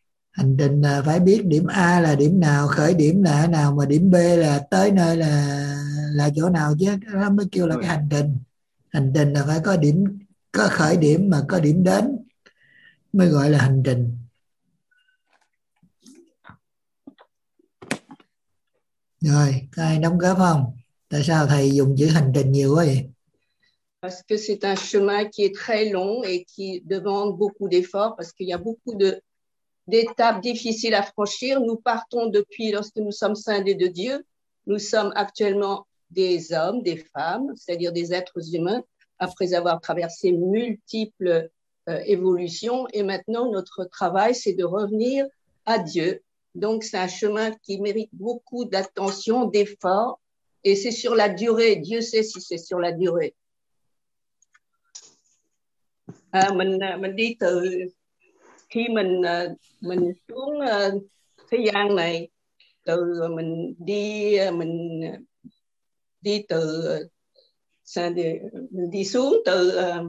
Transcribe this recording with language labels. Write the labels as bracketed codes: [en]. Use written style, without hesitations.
[vi] Hành trình là phải biết điểm A là điểm nào, khởi điểm là ở nào, mà điểm B là tới nơi là chỗ nào chứ, nó mới kêu là cái hành trình. Hành trình là phải có điểm, có khởi điểm mà có điểm đến mới gọi là hành trình. Rồi, có ai đóng góp không? Tại sao thầy dùng chữ hành trình nhiều vậy? [fr] Parce que c'est un chemin qui est très long et qui demande beaucoup d'efforts, parce qu'il y a beaucoup d'étapes difficiles à franchir. Nous partons depuis lorsque nous sommes scindés de Dieu. Nous sommes actuellement des hommes, des femmes, c'est-à-dire des êtres humains, après avoir traversé multiples évolutions. Et maintenant, notre travail, c'est de revenir à Dieu. Donc, c'est un chemin qui mérite beaucoup d'attention, d'efforts. Et c'est sur la durée. Dieu sait si c'est sur la durée. [vi] À, mình đi từ khi mình xuống thế gian này, từ mình đi từ sao đi, mình đi xuống từ